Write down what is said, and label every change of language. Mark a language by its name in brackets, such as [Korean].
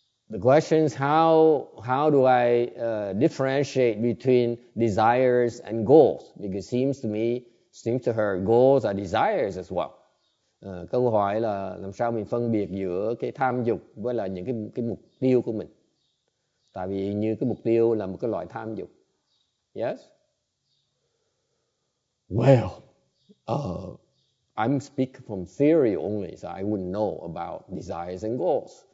[English] The question is how do I differentiate between desires and goals? Because it seems to me. Seems to her goals are desires as well. [Vietnamese] Câu hỏi là làm sao mình phân biệt giữa cái tham dục với là những cái mục tiêu của mình? Tại vì như cái mục tiêu là một cái loại tham dục. [English] Yes? Well, I'm speaking from theory only, so I wouldn't know about desires and goals.